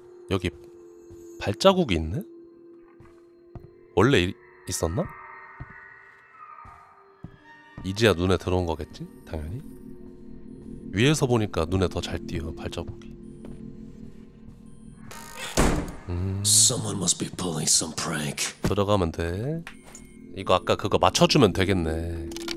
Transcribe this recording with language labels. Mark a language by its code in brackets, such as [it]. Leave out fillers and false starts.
[ko] 여기 발자국이 있네? 원래 있었나? 이제야 눈에 들어온 거겠지? 당연히 위에서 보니까 눈에 더 잘 띄어 발자국이. [en] Someone must be pulling some prank. [ko] 들어가면 돼. 이거 아까 그거 맞춰주면 되겠네.